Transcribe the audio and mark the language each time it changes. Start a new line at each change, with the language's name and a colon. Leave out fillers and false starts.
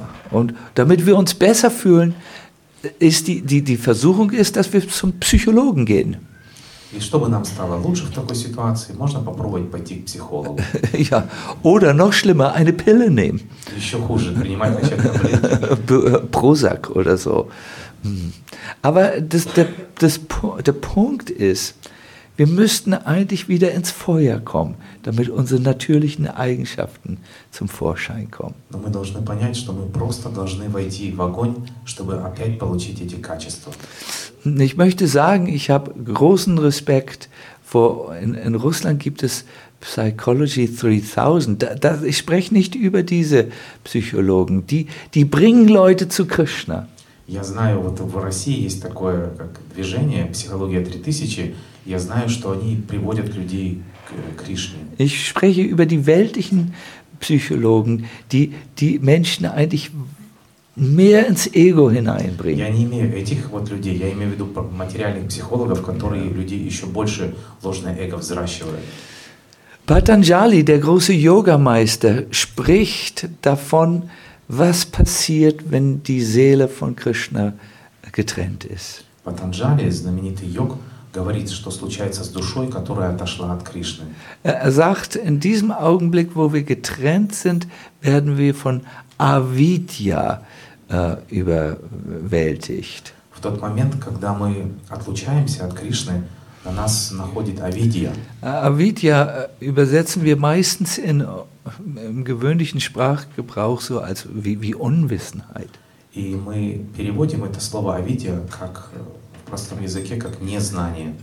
German: Und damit wir uns besser fühlen, ist die Versuchung ist, dass wir zum Psychologen gehen.
Russian: И чтобы нам стало лучше в такой ситуации, можно попробовать пойти к психологу.
German: Ja, oder noch schlimmer, eine Pille nehmen.
Russian: Еще хуже, принимать начать таблетки.
German: Прозак oder so. Aber der Punkt ist, wir müssten eigentlich wieder ins Feuer kommen, damit unsere natürlichen Eigenschaften zum Vorschein kommen.
Russian: Но мы должны понять, что мы просто должны войти в огонь, чтобы опять получить эти качества.
German: Ich möchte sagen, ich habe großen Respekt vor, in Russland gibt es Psychology 3000. Ich spreche nicht über diese Psychologen, die bringen Leute zu Krishna.
Russian: Я знаю, вот в России есть такое как движение «Психология 3000». Я знаю, что они приводят людей к Кришне.
German: Ich spreche über die weltlichen Psychologen, die Menschen eigentlich mehr ins Ego hineinbringen.
Russian: Я не имею этих вот людей. Я имею в виду материальных психологов, которые людей еще больше ложное эго взращивают.
German: Patanjali, der große Yogameister, spricht davon, was passiert, wenn die Seele von Krishna getrennt ist.
Russian: Patanjali, знаменитый йог, говорит, что случается с душой, которая отошла от Кришны.
German: Er sagt, in diesem Augenblick, wo wir getrennt sind, werden wir von Avidya überwältigt.
Russian: В тот момент, когда мы отлучаемся от Кришны, на нас находит Авидья.
German: Авидья übersetzen wir meistens im gewöhnlichen Sprachgebrauch so als wie Unwissenheit.
Russian: И мы переводим это слово Авидья как в простом языке, как незнание.